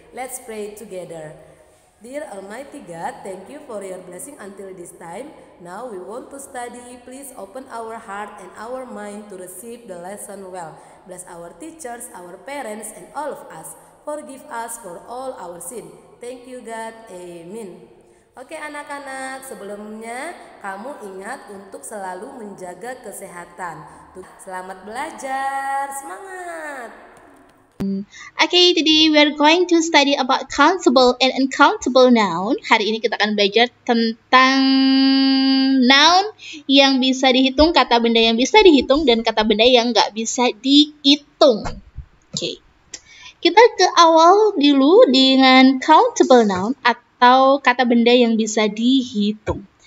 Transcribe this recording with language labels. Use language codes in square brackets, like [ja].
[en] Let's pray together. Dear Almighty God, thank you for your blessing until this time. Now we want to study. Please open our heart and our mind to receive the lesson well. Bless our teachers, our parents, and all of us. Forgive us for all our sin. Thank you God. Amen. [id] Oke anak-anak, sebelumnya kamu ingat untuk selalu menjaga kesehatan. Selamat belajar, semangat! [en] Okay, today we are going to study about countable and uncountable noun. [id] Hari ini kita akan belajar tentang noun yang bisa dihitung, kata benda yang bisa dihitung, dan kata benda yang gak bisa dihitung. [en] Okay. [id] Kita ke awal dulu dengan countable noun atau kata benda yang bisa dihitung.